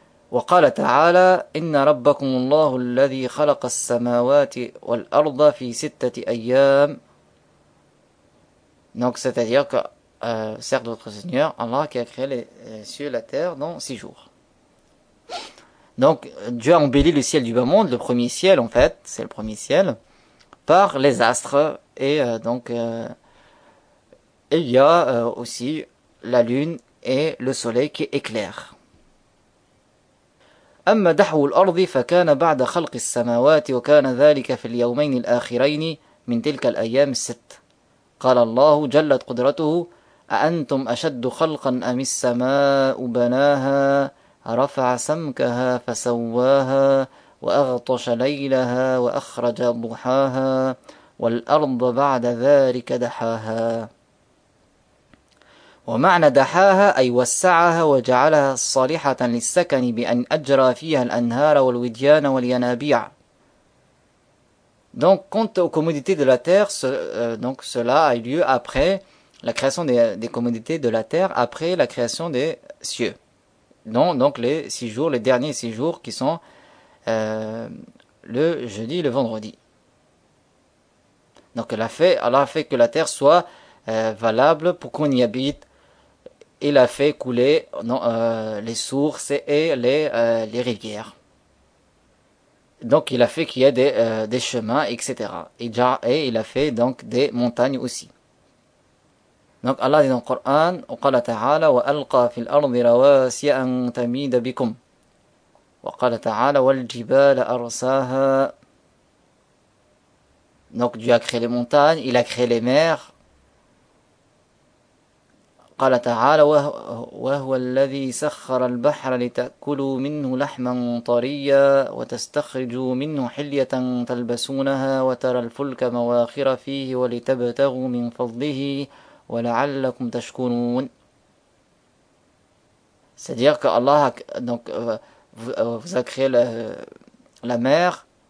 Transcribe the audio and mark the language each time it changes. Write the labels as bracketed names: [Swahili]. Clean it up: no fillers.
[Arabic] وقال تعالى إن ربكم الله الذي خلق السماوات والأرض في ستة أيام. [French] Donc c'est-à-dire que sert d'autre Seigneur Allah qui a créé les cieux et la terre dans six jours. Donc Dieu a embelli le ciel du bas monde, le premier ciel en fait, c'est le premier ciel, par les astres et il y a aussi la lune et le soleil qui éclairent. [Arabic] أما دحو الأرض فكان بعد خلق السماوات وكان ذلك في اليومين الآخرين من تلك الأيام الست. قال الله جلت قدرته أأنتم أشد خلقا أم السماء بناها رفع سمكها فسواها وأغطش ليلها وأخرج ضحاها والأرض بعد ذلك دحاها. ومعنى دحاها أي وسعها وجعلها صالحة للسكن بأن أجرى فيها الأنهار والوديان والينابيع. [French] Donc quant aux commodités de la terre, cela a eu lieu après la création des commodités de la terre, après la création des cieux. Donc les six jours, les derniers six jours qui sont le jeudi et le vendredi. Donc Allah a fait que la terre soit valable pour qu'on y habite. Il a fait couler les sources et les rivières. Donc il a fait qu'il y ait des chemins, etc. Et il a fait donc des montagnes aussi. Donc Allah dit dans le Coran, [Arabic] وقال تعالى وألقى في الأرض رواسي أن تميد بكم. وقال تعالى والجبال أرساها. [French] Donc Dieu a créé les montagnes, il a créé les mers. [Arabic] قال تعالى وهو الذي سخر البحر لتأكلوا منه لحما طريا وتستخرجوا منه حلية تلبسونها وترى الفلك مواخر فيه ولتبتغوا من فضله ولعلكم تشكرون. [French] C'est-à-dire que Allah vous a créé la mer.